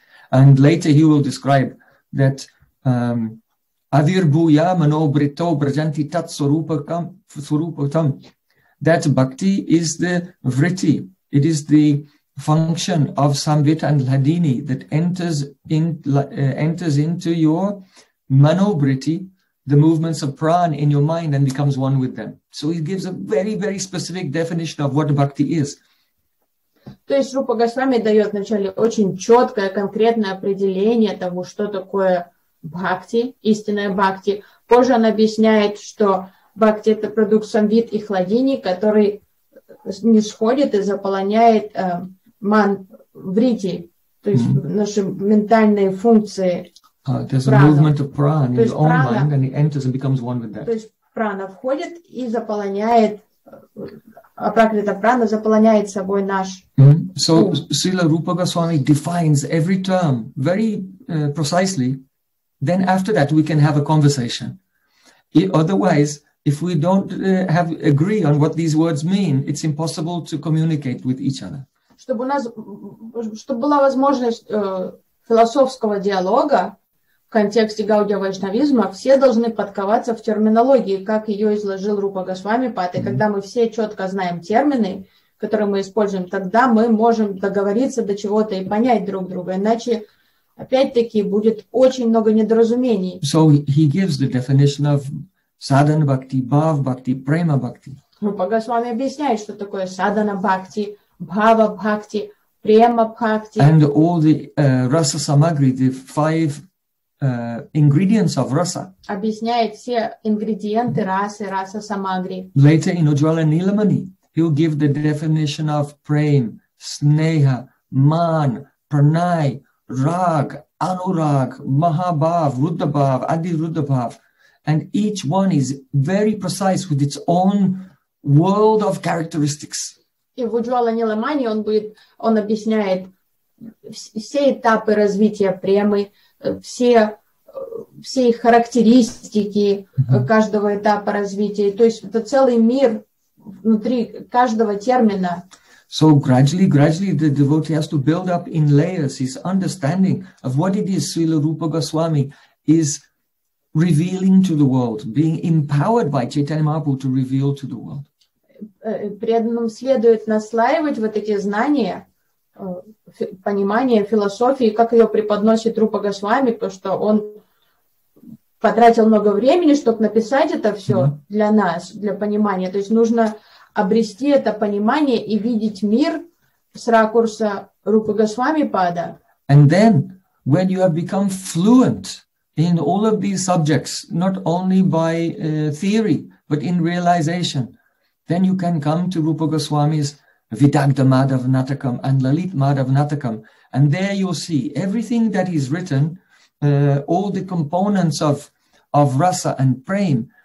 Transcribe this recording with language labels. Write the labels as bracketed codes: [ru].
[en] And later he will describe that avirbhuya mano brito brajanti tat swarupatam, that bhakti is the vritti, it is the function of samvita and ladini that enters into your mano brito, the movements of prana in your mind, and becomes one with them. So he gives a very, very specific definition of what bhakti is. [ru] То есть Рупа Госвами дает вначале очень четкое, конкретное определение того, что такое бхакти, истинная бхакти. Позже он объясняет, что бхакти — это продукт самвит и хладини, который нисходит и заполняет ман-врити, то есть наши ментальные функции. [en] There's a movement of prana in your own mind, and it enters and becomes one with that. [ru] То есть прана входит и заполняет... Апракрита прана заполняет собой наш. [en] So Srila Rupa Goswami defines every term very precisely. Then after that we can have a conversation. Otherwise, if we don't agree on what these words mean, it's impossible to communicate with each other. [ru] Чтобы у нас, чтобы была возможность философского диалога в контексте гаудия вайшнавизма, все должны подковаться в терминологии, как ее изложил Рупа Госвами Пад. И когда мы все четко знаем термины, которые мы используем, тогда мы можем договориться до чего-то и понять друг друга. Иначе, опять-таки, будет очень много недоразумений. [en] So he gives the definition of sadhana bhakti, bhav bhakti, prema bhakti. [ru] Рупа Госвами объясняет, что такое sadhana bhakti, bhava bhakti, prema bhakti. [en] And all the rasa samagri, the five ingredients of rasa. [ru] Объясняет все ингредиенты расы, раса самагри. [en] Later in Ujjvala Nilamani, he'll give the definition of prem, sneha, man, pranay, rag, anurag, mahabhav, ruddhabhav, adiruddhabhav. And each one is very precise with its own world of characteristics. [ru] И в Уджвала Ниламани он объясняет все этапы развития премы, все их характеристики каждого этапа развития. То есть это целый мир внутри каждого термина. [en] So gradually the devotee has to build up in layers his understanding of what it is Srila Rupa Goswami is revealing to the world, being empowered by Chaitanya Mahaprabhu to reveal to the world. [ru] Преданным следует наслаивать вот эти знания, понимание философии, как ее преподносит Рупа Госвами, потому что он потратил много времени, чтобы написать это все для нас, для понимания. То есть нужно обрести это понимание и видеть мир с ракурса Рупы Госвами Пада. [en] And then, when you have become fluent in all of these subjects, not only by theory, but in realization, then you can come to Rupa Goswami's Vidagdha Madhav Natakam and Lalit Madhav Natakam. And there you'll see everything that is written, all the components of rasa and prem.